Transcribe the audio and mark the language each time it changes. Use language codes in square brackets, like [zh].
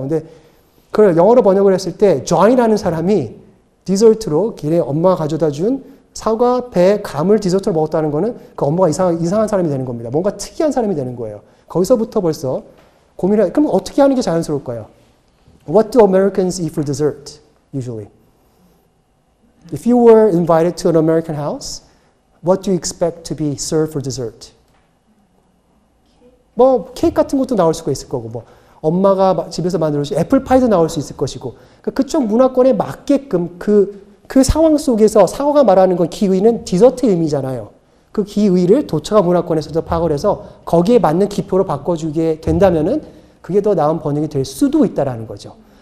[ko] 근데 그걸 영어로 번역을 했을 때 조안이라는 사람이 디저트로 길에 엄마가 가져다 준 사과, 배, 감을 디저트로 먹었다는 거는 그 엄마가 이상한 사람이 되는 겁니다. 뭔가 특이한 사람이 되는 거예요. 거기서부터 벌써 고민을, 그럼 어떻게 하는 게 자연스러울까요? [en] What do Americans eat for dessert, usually? If you were invited to an American house, what do you expect to be served for dessert? [ko] 뭐, 케이크 같은 것도 나올 수가 있을 거고, 뭐, 엄마가 집에서 만들어주신 애플파이도 나올 수 있을 것이고, 그쪽 문화권에 맞게끔 그 상황 속에서 사과가 말하는 건 기의는 디저트의 의미잖아요. 그 기의를 도착어 문화권에서도 파악을 해서 거기에 맞는 기표로 바꿔주게 된다면은 그게 더 나은 번역이 될 수도 있다라는 거죠.